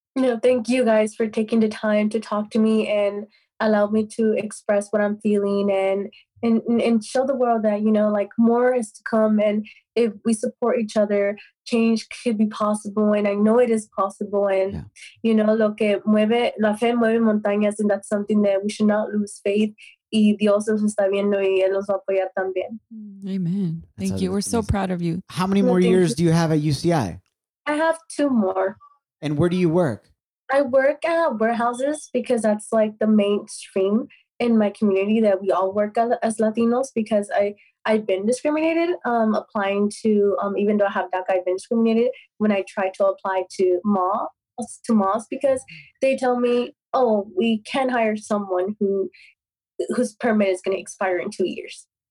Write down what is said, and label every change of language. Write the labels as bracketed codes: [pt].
[en] No, thank you guys for taking the time to talk to me and allow me to express what I'm feeling and show the world that, you know, like, more is to come. And if we support each other, change could be possible. And I know it is possible. And, yeah, you know, [es] lo que mueve, la fe mueve montañas. [en] And that's something that we should not lose faith. [es] Y Dios nos está viendo y él nos va a apoyar también. [en] Amen. Thank you. We're amazing. So proud of you. How many more years do you have at UCI? I have two more. And where do you work? I work at warehouses because that's like the mainstream in my community that we all work as Latinos, because I've been discriminated applying to, even though I have DACA, I've been discriminated when I try to apply to malls because they tell me, oh, we can't hire someone whose permit is going to expire in 2 years.